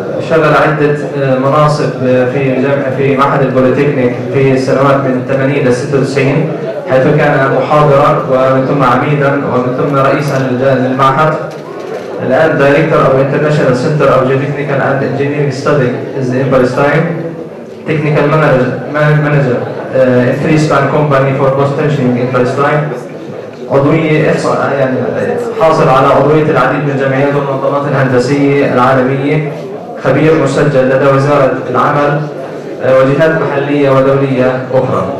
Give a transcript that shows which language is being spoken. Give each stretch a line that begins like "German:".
Arabic: شغل عدة مناصب في جامعة في معهد البوليتكنيك في السنوات من 80 إلى 96 حيث كان محاضرا ومن ثم عميدا ومن ثم رئيسا للمعهد.
English: الآن Director of International Center of Geotechnical and Engineering Study is in Palestine. Technical Manager in 3-span Company for Post-Tensioning in Palestine.
Arabic: عضوية حاصل على عضوية العديد من الجمعيات والمنظمات الهندسية العالمية. خبير مسجل لدى وزارة العمل وجهات محلية ودولية أخرى.